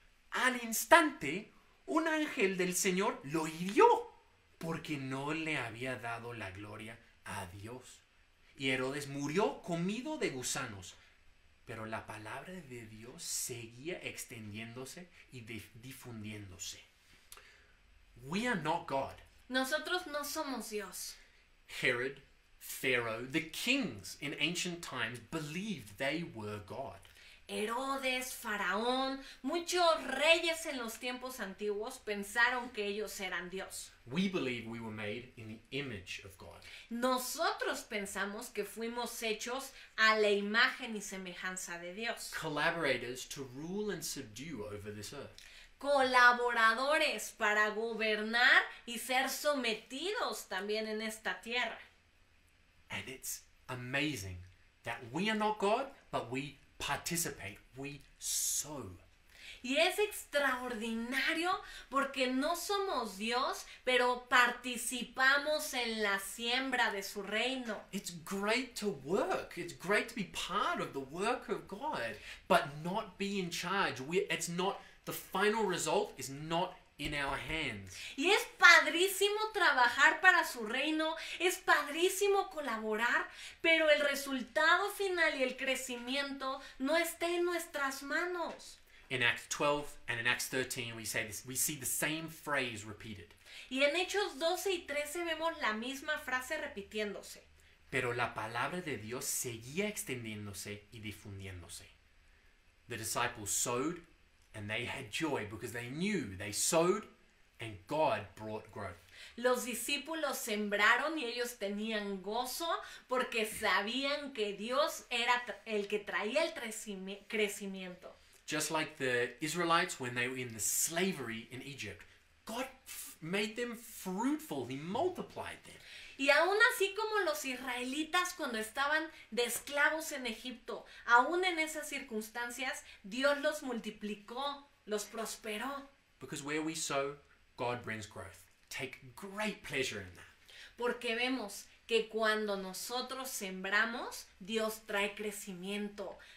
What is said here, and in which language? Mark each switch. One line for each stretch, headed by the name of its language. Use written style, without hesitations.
Spanish: Al instante, un ángel del Señor lo hirió, porque no le había dado la gloria a Dios. Y Herodes murió comido de gusanos. Pero la palabra de Dios seguía extendiéndose y difundiéndose.
English: We are not God.
Spanish: Nosotros no somos Dios.
English: Herod, Pharaoh, the kings in ancient times believed they were God.
Spanish: Herodes, Faraón, muchos reyes en los tiempos antiguos pensaron que ellos eran Dios.
English: We believe we were made in the image of God.
Spanish: Nosotros pensamos que fuimos hechos a la imagen y semejanza de Dios.
English: Collaborators to rule and subdue over this earth.
Spanish: Colaboradores para gobernar y ser sometidos también en esta tierra.
English: And it's amazing that we are not God, but we participate, we sow.
Spanish: Y es extraordinario porque no somos Dios, pero participamos en la siembra de su reino.
English: It's great to work. It's great to be part of the work of God, but not be in charge. It's not, the final result is not in our hands.
Spanish: Y es padrísimo trabajar para su reino, es padrísimo colaborar, pero el resultado final y el crecimiento no está en nuestras manos.
English: In Acts 12 and in Acts 13 we say this, we see the same phrase repeated.
Spanish: Y en Hechos 12 y 13 vemos la misma frase repitiéndose. Pero la palabra de Dios seguía extendiéndose y difundiéndose.
English: The disciples sowed and they had joy because they knew they sowed and God brought growth.
Spanish: Los discípulos sembraron y ellos tenían gozo porque sabían que Dios era el que traía el crecimiento.
English: Just like the Israelites when they were in the slavery in Egypt, God made them fruitful, he multiplied them.
Spanish: Y aún así como los israelitas cuando estaban de esclavos en Egipto, aún en esas circunstancias, Dios los multiplicó, los prosperó.
English: Because where we sow, God brings growth. Take great pleasure in that.
Spanish: Porque vemos que cuando nosotros sembramos, Dios trae crecimiento.